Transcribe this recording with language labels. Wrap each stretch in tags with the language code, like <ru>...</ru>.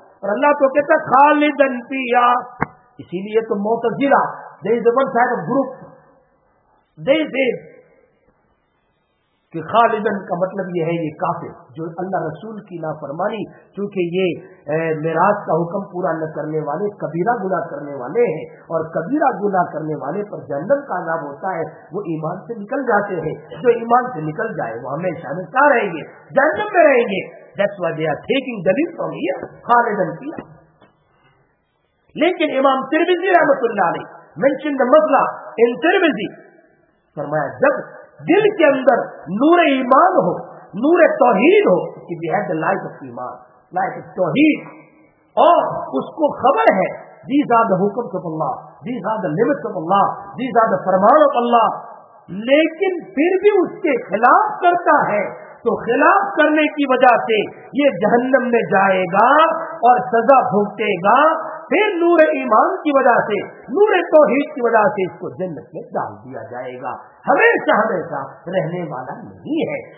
<ur>اور اللہ تو کہتا خالدن فیہا, اسی لیے تو معتزلہ</ur> <en>they is one side of group</en> <ur>دے دے کہ خالدن کا مطلب یہ ہے یہ کافر جو اللہ رسول کی نافرمانی, چونکہ یہ میراث کا حکم پورا نہ کرنے والے کبیرہ گناہ کرنے والے ہیں, اور کبیرہ گناہ کرنے والے پر جہنم کا عذاب ہوتا ہے. وہ ایمان سے نکل جاتے ہیں, جو ایمان سے نکل جائے وہ ہمیشہ میں کیا رہیں گے, جہنم میں رہیں گے.</ur> <en>That's why they are taking the lead from here, خالدن کی.</en> <ur>لیکن امام ترمذی رحمۃ اللہ علیہ</ur> <en>mentioned the</en> <ur>مسئلہ in ترمذی, فرمایا جب دل کے اندر نور ایمان ہو, نور توحید ہو,</ur> <en>we have the light of</en> <ur>ایمان, light of توحید, اور اس کو خبر ہے these are the حکمات of Allah,</ur> <en>these are the limits of</en> <ur>Allah, these are the فرمان of اللہ, لیکن پھر بھی اس کے خلاف کرتا ہے, تو خلاف کرنے کی وجہ سے یہ جہنم میں جائے گا اور سزا بھگتے گا, پھر نور ایمان کی وجہ سے نور توحید کی وجہ سے اس کو جنت میں ڈال دیا جائے گا, ہمیشہ ہمیشہ رہنے والا نہیں ہے.</ur>